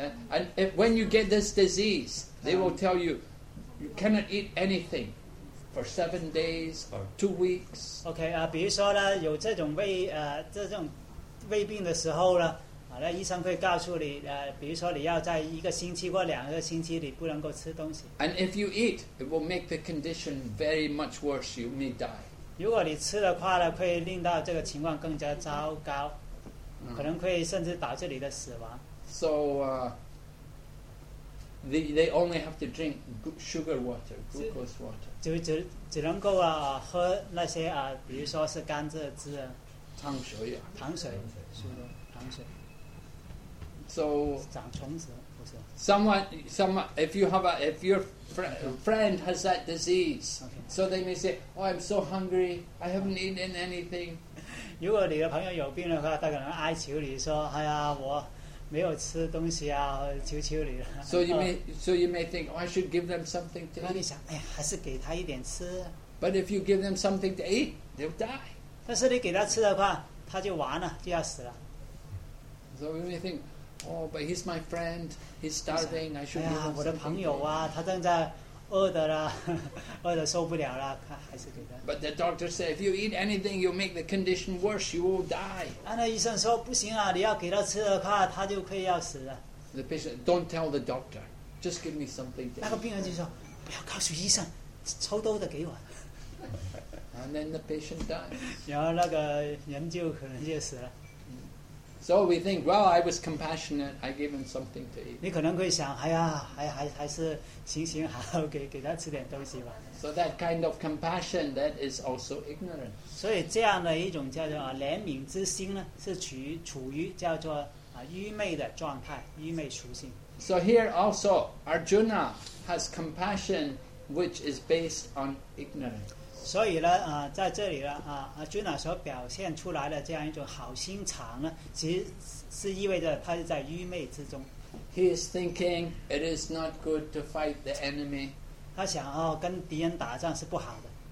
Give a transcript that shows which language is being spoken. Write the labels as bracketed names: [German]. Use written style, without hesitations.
[English] And if, when you get this disease, they will tell you, you cannot eat anything for 7 days or 2 weeks. [Chinese] Okay, 比如说呢, 有这种胃, 这种胃病的时候呢, 那医生会告诉你, 比如说你要在一个星期或两个星期里不能够吃东西。 [English] And if you eat, it will make the condition very much worse. You may die. [Chinese] 如果你吃的话呢, 会令到这个情况更加糟糕, 可能会甚至导致你的死亡。 [English] So, they only have to drink sugar water, glucose water. [Chinese] 只能够, 喝那些, 比如说是甘蔗汁, 糖水, 糖水, 是的, 糖水。 [English] So, [Chinese] 长虫子, [English] someone, if you have a, if your friend has that disease, okay. So they may say, oh, I'm so hungry, I haven't eaten anything. [Chinese] 如果你的朋友有病的话，他可能哀求你说：“哎呀，我没有吃东西啊，求求你了。” [English] So you may, so you may think, oh, I should give them something to eat. [Chinese] 那你想，哎，还是给他一点吃。 [English] But if you give them something to eat, they'll die. [Chinese] 但是你给他吃的话，他就完了，就要死了。 [English] So you may think, oh, but he's my friend. He's starving. I should give him something. [Chinese] 我的朋友啊，他正在饿的了，饿的受不了了，还是给他。 [English] But the doctor said, if you eat anything, you'll make the condition worse. You will die. [Chinese] 啊，那医生说不行啊，你要给他吃的话，他就会要死了。 [English] The patient, don't tell the doctor. Just give me something. [Chinese] 那个病人就说，不要告诉医生，抽兜的给我。 [English] And then the patient died. [Chinese] 然后那个人就可能就死了。 [English] So we think, well, I was compassionate. I gave him something to eat. [Chinese] 你可能会想，哎呀，还是行行好，给他吃点东西吧。 [English] So that kind of compassion, that is also ignorance. [Chinese] 所以这样的一种叫做怜悯之心呢，是处于叫做愚昧的状态，愚昧属性。 [English] So here also, Arjuna has compassion, which is based on ignorance. [Chinese] 所以呢，在这里呢，Arjuna 所表现出来的这样一种好心肠呢，其实是意味着他是在愚昧之中。 [English] He is thinking it is not good to fight the enemy. [Chinese] 他想哦，跟敌人打仗是不好的。